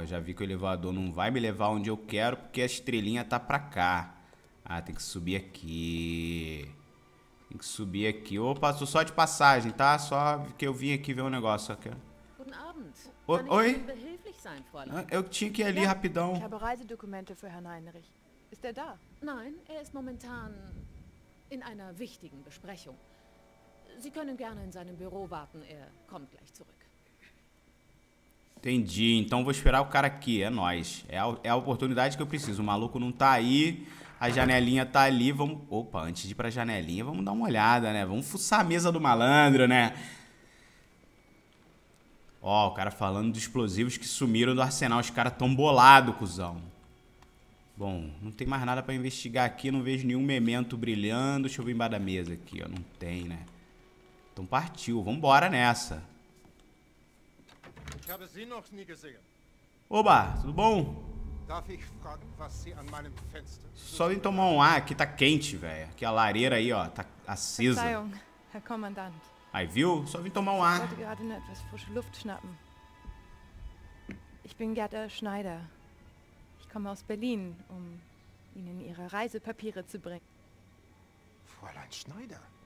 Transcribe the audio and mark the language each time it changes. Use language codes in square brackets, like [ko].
[pt] Eu já vi que o elevador não vai me levar onde eu quero, porque a estrelinha tá pra cá. Ah, tem que subir aqui. Tem que subir aqui. Opa, tô só de passagem, tá? Só que eu vim aqui ver um negócio aqui. Oi? Eu tinha que ir ali rapidão. [de] Ich habe Reisedokumente für Herrn Heinrich. Ist da? Nein, ist momentan in einer wichtigen Besprechung. Sie können gerne in seinem Büro warten, kommt gleich zurück. [pt] Entendi, então vou esperar o cara aqui, é nóis. É a oportunidade que eu preciso. O maluco não tá aí, a janelinha tá ali. Opa, antes de ir pra janelinha, vamos dar uma olhada, né? Vamos fuçar a mesa do malandro, né? Ó, o cara falando dos explosivos que sumiram do arsenal. Os caras tão bolados, cuzão. Bom, não tem mais nada pra investigar aqui. Não vejo nenhum memento brilhando. Deixa eu ver embaixo da mesa aqui, ó. Não tem, né? Então partiu, vambora nessa. [de] Ich habe Sie noch nie gesehen. [pt] Oba, tudo bom? [de] Darf ich fragen, was Sie an meinem Fenster... [pt] Só vim tomar um ar, aqui tá quente, velho. Aqui a lareira aí, ó, tá acesa. [de] Verzeihung, Herr Kommandant. [pt] Aí, viu? Só vim tomar um ar. [de] Ich wollte gerade nur etwas frische Luft schnappen. Ich bin Gerda Schneider. Ich komme aus Berlin, Ihnen Ihre Reisepapiere zu bringen. Fräulein Schneider?